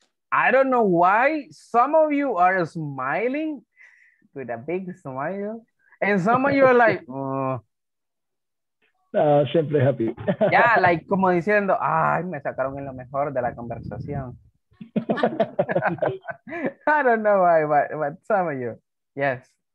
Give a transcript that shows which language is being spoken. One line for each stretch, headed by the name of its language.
English: I don't know why some of you are smiling with a big smile, and some of you are like, siempre happy. Yeah, like,
Spanish: como diciendo, ay, me sacaron en lo mejor de la conversación.
English: I don't know why, but some of you, yes.